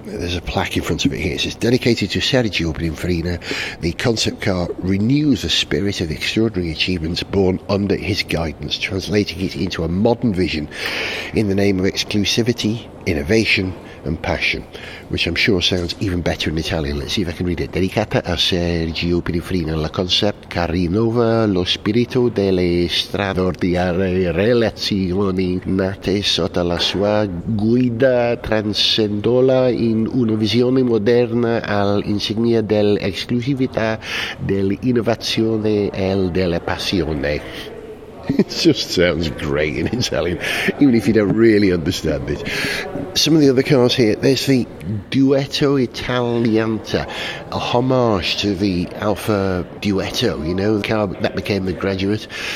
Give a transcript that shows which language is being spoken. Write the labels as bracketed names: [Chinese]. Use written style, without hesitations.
[English] There's a plaque in front of it here. It says, dedicated to Sergio Pininfarina, the concept car renews the spirit of extraordinary achievements born under his guidance, translating it into a modern vision in the name of exclusivity, innovation, and passion, which I'm sure sounds even better in Italian. Let's see if I can read it. [Italian] Dedicata a Sergio Pininfarina, la concept car rinnova lo spirito delle straordinarie relazioni nate sotto la sua guida, transcendola in una visione moderna all'insegna dell'esclusività, dell'innovazione e della passione. [English] It just sounds great in Italian, even if you don't really understand it. Some of the other cars here, there's the Duetto Italianta, a homage to the Alfa Duetto, you know, the car that became the Graduate.